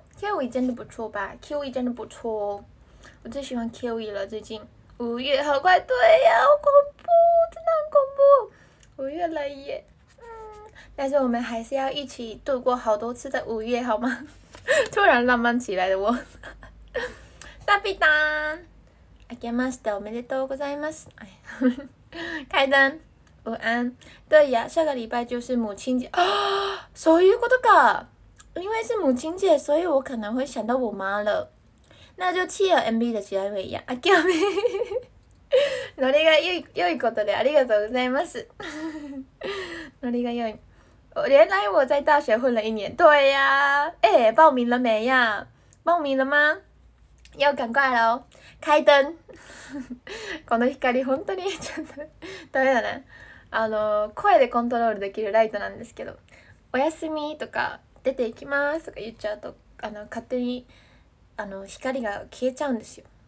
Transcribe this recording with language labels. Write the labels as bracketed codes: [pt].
[zh] Kiwi 真的不错吧 ？Kiwi 真的不错、哦，我最喜欢 Kiwi 了。最近五月好快，对呀、啊，好恐怖，真的很恐怖，五月了耶。嗯，但是我们还是要一起度过好多次的五月，好吗？突然浪漫起来的我，大屁蛋， [ja] 明けましておめでとうございます。 [zh] 开灯，午安。对呀，下个礼拜就是母亲节啊， [ja] そういうことか。 [zh] 因为是母亲节，所以我可能会想到我妈了。那就契合 MV 的结尾呀， [ja] 明けおめ。ノリが良いことでありがとうございます。ノリが良い。 [zh] 原来我在大学混了一年，对呀，哎，报名了没呀？报名了吗？要赶快喽！开灯。 [ja] この光本当にちょっとダメだな。あの声でコントロールできるライトなんですけど、おやすみとか出ていきますとか言っちゃうとあの勝手にあの光が消えちゃうんですよ。